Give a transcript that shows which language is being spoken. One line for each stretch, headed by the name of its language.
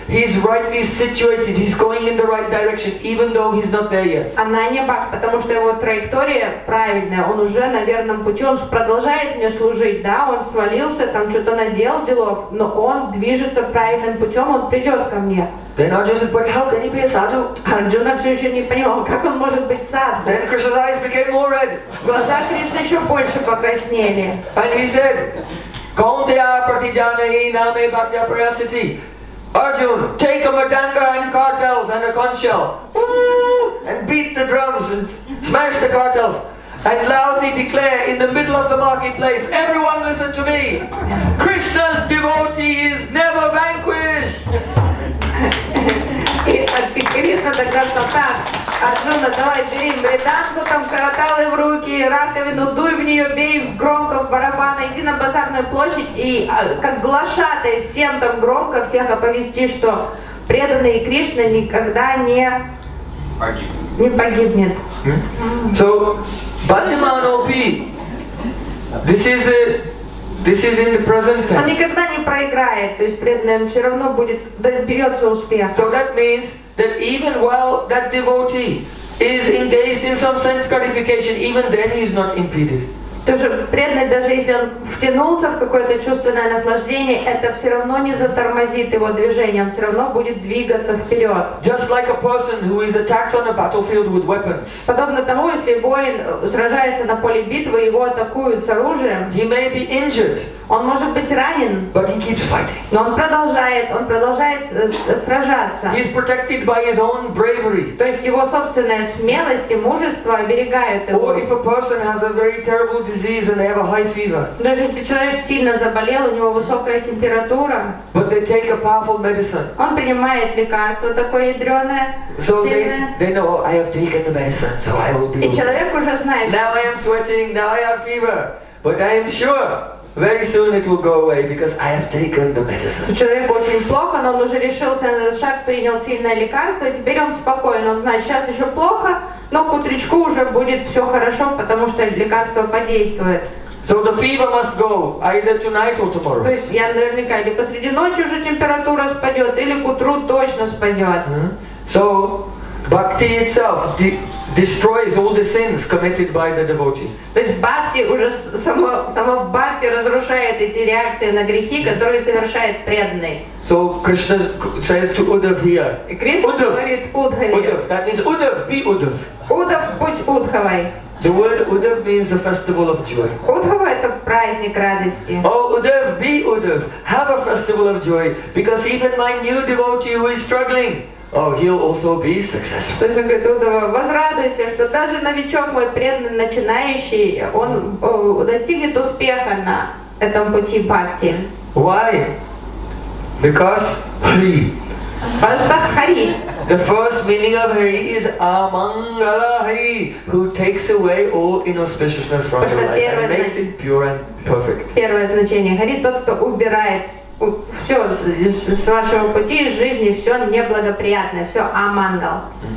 English: He's rightly situated, he's going in the right direction, even though he's not there yet.
Russian: Ananya bhak, потому что его траектория правильная, он уже на верном пути, он продолжает мне служить, да, он свалился, там что-то надел делов, но он движется правильным путем, он придет ко мне.
English: Then Arjuna said, but how can he be a sadhu?
Russian: Arjuna все еще не понимал, как он может быть садху.
English: Then Krishna's eyes became more red.
Russian: Глаза Кришны еще больше покраснели.
English: And he said,
Sanskrit: Kauntea Pratijana Iname Bhaktya Prayasati.
English: Arjun, take a mardanga and cartels and a conch shell. And beat the drums and smash the cartels. And loudly declare in the middle of the marketplace, everyone listen to me. Krishna's devotee is never vanquished.
Russian: И Кришна тогда сказал так, Арджуна, давай бери мриданку, там караталы в руки, раковину, дуй в нее, бей громко в барабаны, иди на базарную площадь и как глашатай всем там громко всех оповести, что преданный Кришна никогда не погибнет.
English: So, Bhaktimanopi, this is in the present tense.
Russian: Он никогда не проиграет, то есть преданный он все равно будет доберется успеха.
English: So that means that even while that devotee is engaged in some sense gratification, even then he is not impeded.
Russian: То есть преданный даже если он втянулся в какое-то чувственное наслаждение, это все равно не затормозит его движение, он все равно будет двигаться вперед.
English: Just like a person who is attacked on a battlefield with weapons.
Russian: Подобно тому, если воин сражается на поле битвы, его атакуют с оружием.
English: He may be injured.
Russian: Он может быть ранен.
English: But he keeps fighting.
Russian: Но он продолжает сражаться.
English: He is protected by his own bravery.
Russian: То есть его собственная смелость и мужество оберегают его.
English: Or if a person has a very terrible disease and they have a high fever.
Russian: Даже если человек сильно заболел, у него высокая температура.
English: But they take a powerful medicine.
Russian: Он принимает лекарство такое ядреное.
English: So they know I have taken the medicine, so I will be.
Russian: И человек уже знает.
English: Now I am sweating. Now I have fever. But I am sure Very soon it will go away because I have taken the medicine.
Russian: У человека очень плохо, но он уже решился на этот шаг, принял сильное лекарство, и теперь он спокоен. Он знает, сейчас еще плохо, но к утречку уже будет все хорошо, потому что лекарство подействует.
English: So the fever must go either tonight or tomorrow.
Russian: То есть я наверняка или посреди ночи уже температура спадет, или к утру точно спадет.
English: So bhakti itself destroys all the sins committed by the devotee.
Russian: То есть бхакти уже само бхакти разрушает эти реакции на грехи, которые совершает преданный.
English: So Krishna says to Uddhav here.
Russian: Uddhav, будь Uddhavai.
English: The word Uddhav means a festival of joy.
Russian: Uddhava – это праздник радости.
English: Oh, Uddhav, be Uddhav, have a festival of joy, because even my new devotee who is struggling, oh, he'll also be successful.
Russian: То есть он говорит, Uddhava, возрадуйся, что даже новичок мой преданный, начинающий, он достигнет успеха на этом пути бхакти.
English: Why? Because Hari. The first meaning of Hari is Amangala Hari, who takes away all inauspiciousness from your life and makes it pure and perfect.
Russian: Первое значение Хари тот, кто убирает все с вашего пути, из жизни, все неблагоприятное, все Амангал.